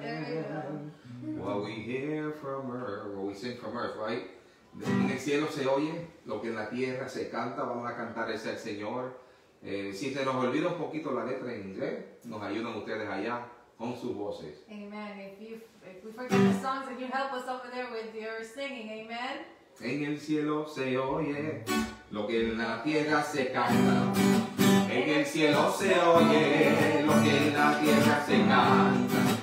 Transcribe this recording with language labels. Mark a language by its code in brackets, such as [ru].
[en] There you go. What we hear from earth, what we sing from earth, right? [es] En el cielo se oye lo que en la tierra se canta. Vamos a cantar ese al Señor. Si se nos olvida un poquito la letra en inglés, nos ayudan ustedes allá con sus voces. Amen. [en] If we forget the songs, then you help us over there with your singing. Amen. [es] En el cielo se oye lo que en la tierra se canta. En el cielo se oye lo que en la tierra se canta.